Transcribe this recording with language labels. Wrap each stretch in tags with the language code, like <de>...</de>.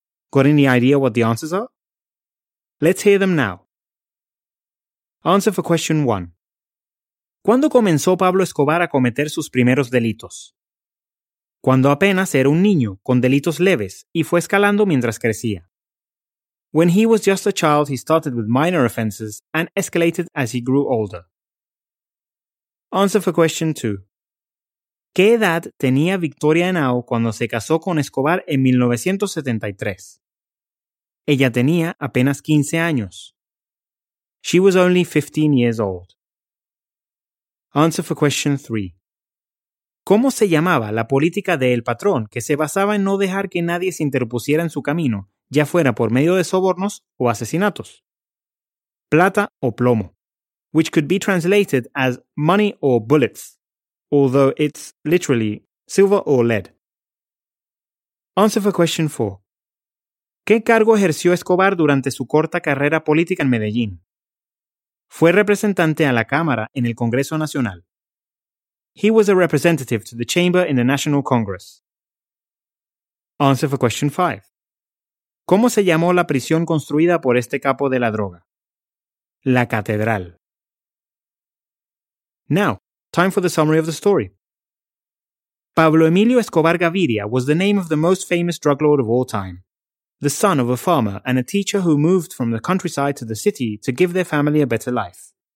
<en>Got any idea what the answers are? Let's hear them now. Answer for question 1.</en> <es>¿Cuándo comenzó Pablo Escobar a cometer sus primeros delitos? Cuando apenas era un niño, con delitos leves, y fue escalando mientras crecía.</es> <en>When he was just a child, he started with minor offenses and escalated as he grew older. Answer for question 2.</en> <es>¿Qué edad tenía Victoria Henao cuando se casó con Escobar en 1973? Ella tenía apenas 15 años.</es> <en>She was only 15 years old. Answer for question 3.</en> <es>¿Cómo se llamaba la política de El Patrón que se basaba en no dejar que nadie se interpusiera en su camino, ya fuera por medio de sobornos o asesinatos? Plata o plomo,</es> <en>which could be translated as money or bullets, although it's literally silver or lead. Answer for question 4.</en> <es>¿Qué cargo ejerció Escobar durante su corta carrera política en Medellín? Fue representante a la Cámara en el Congreso Nacional.</es> <en>He was a representative to the Chamber in the National Congress. Answer for question 5.</en> <es>¿Cómo se llamó la prisión construida por este capo de la droga? La catedral.</es> <en>Now, time for the summary of the story. Pablo Emilio Escobar Gaviria was the name of the most famous drug lord of all time. The son of a farmer and a teacher who moved from the countryside to the city to give their family a better life.</en>